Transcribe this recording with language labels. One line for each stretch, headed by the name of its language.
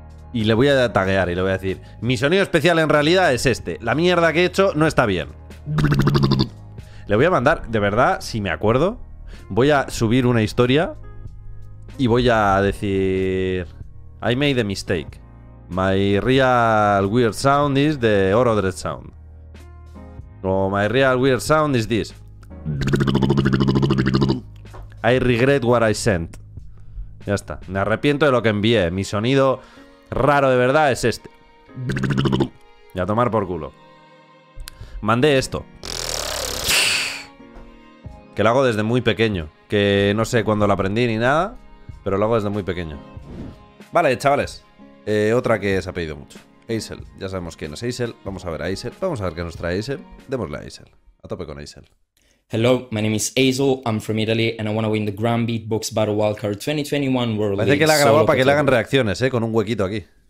Spanish: Y le voy a taguear y le voy a decir: mi sonido especial en realidad es este. La mierda que he hecho no está bien. Le voy a mandar, de verdad, si me acuerdo, voy a subir una historia y voy a decir:
English: I made a mistake. My real weird sound is the Orodred sound. O my real weird sound is this. I regret what I sent.
Spanish: Ya está. Me arrepiento de lo que envié. Mi sonido raro de verdad es este. Y a tomar por culo. Mandé esto. Que lo hago desde muy pequeño. Que no sé cuándo lo aprendí ni nada. Pero lo hago desde muy pequeño. Vale, chavales. Otra que se ha pedido mucho. Aisel. Ya sabemos quién es Aisel. Vamos a ver a Aisel. Vamos a ver qué nos trae Aisel. Démosle a Aisel. A tope con Aisel.
English: Hello, my name is Aisel, I'm from Italy and I want to win the Grand Beatbox Battle Wildcard 2021 World League.
Spanish: Parece que la ha grabado para que le hagan reacciones, con un huequito aquí.